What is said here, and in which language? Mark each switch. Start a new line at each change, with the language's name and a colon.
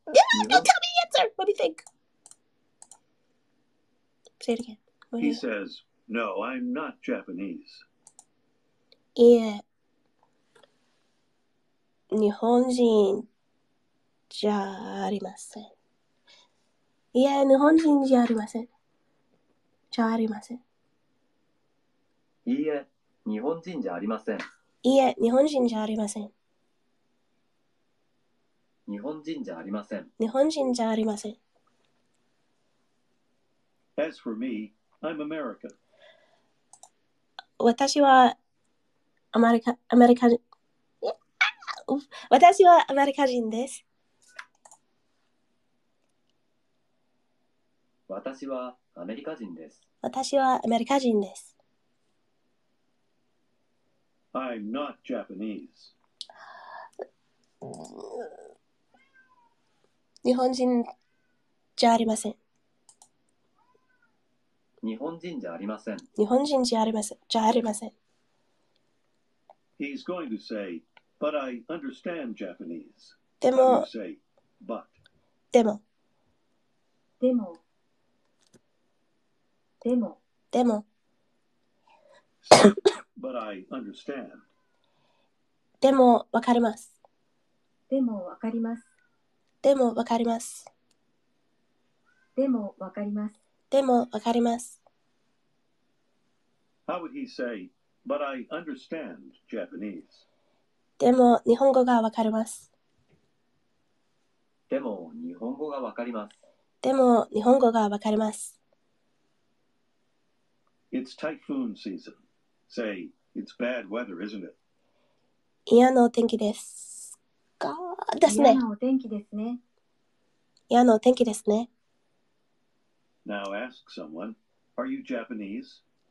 English: Yeah, don't tell me the answer! What do you think? Say it again. He says, No, I'm not Japanese.
Japanese: いいえ。日本人じゃありません。いいえ、日本人じゃありません。じゃありません。いいえ、日本人じゃありません。いいえ、日本人じゃありません。日本人じゃありません。日本人じゃありません。
English: As for me, I'm American.
Japanese: 私はアメリカ、アメリカ、私はアメリカ人です。私はアメリカ人です。私はアメリカ人です。
English: I'm not Japanese.
Japanese: 日本人じゃありません。日本人じゃありません。日本人じゃありません。じゃありません。
English: He's going to say, but I understand Japanese.
Japanese: でも、
English: say, but.
Japanese: でも、でも、でも、でも、
English: but I understand.
Japanese: でも、わかります。でも、わかります。でもわかります。でもわかります。でもわかります。
English: How would he say, but I understand Japanese?
Japanese: でも日本語がわかります。でも日本語がわかります。でも日本語がわかります。
English: It's typhoon season. Say, it's bad weather, isn't it?
Japanese: 嫌なお天気ですか？ですね。嫌なお天気ですね。嫌なお天気ですね。
English: Now ask someone, are you Japanese?